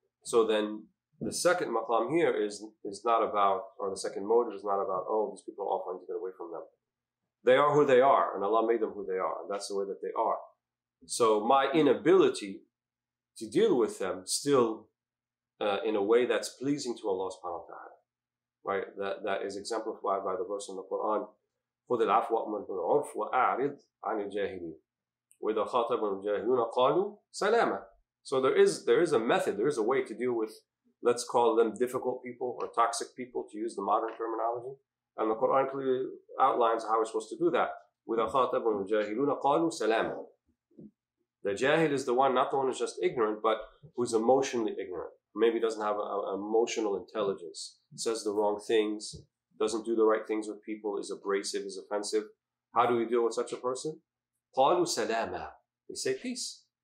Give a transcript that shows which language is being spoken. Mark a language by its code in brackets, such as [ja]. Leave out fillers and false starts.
[en] So then, the second maqam here is not about, or the second motive is not about, oh, these people are all trying to get away from them. They are who they are, and Allah made them who they are, and that's the way that they are. So my inability to deal with them still in a way that's pleasing to Allah subhanahu wa ta'ala, right? That is exemplified by the verse in the Quran, [ar] خُذِ الْعَفْوَ أَمَنْ بِالْعُرْفِ وَأَعْرِضْ عَنِ الْجَاهِلِينَ وَإِذَا خَاطَبَ الْجَاهِلُونَ قَالُوا سَلَامًا. [en] So there is a method, there is a way to deal with, let's call them, difficult people or toxic people, to use the modern terminology. And the Quran clearly outlines how we're supposed to do that. With [ar] وَخَاطَبُوا الْجَاهِلُونَ قَالُوا سَلَامًا. [en] The jahil is the one, not the one who's just ignorant, but who's emotionally ignorant. Maybe doesn't have an emotional intelligence, says the wrong things, doesn't do the right things with people, is abrasive, is offensive. How do we deal with such a person? [ar] قَالُوا سَلَامًا. [en] They say peace.